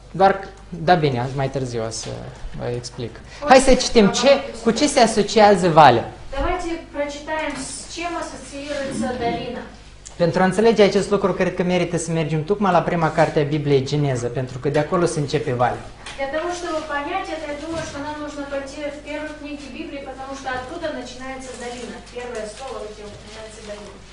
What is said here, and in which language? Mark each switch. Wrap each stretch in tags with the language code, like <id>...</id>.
<ro>Дарк, да, bine, mai târziu să vă explic. Hai să citim cu ce se asociază valea.</ro> <ru>Давайте прочитаем, с чем ассоциируется долина.</ru> <ro>Pentru a înțelege acest lucru, cred că merită să mergem tocmai la prima carte a Bibliei, Geneza, pentru că de acolo se începe valea.</ro> <ru>Для того, чтобы понять это, я думаю, что нам нужно пойти в первую книгу Библии, потому что оттуда начинается долина. Первое слово, где упоминается долина.</ru>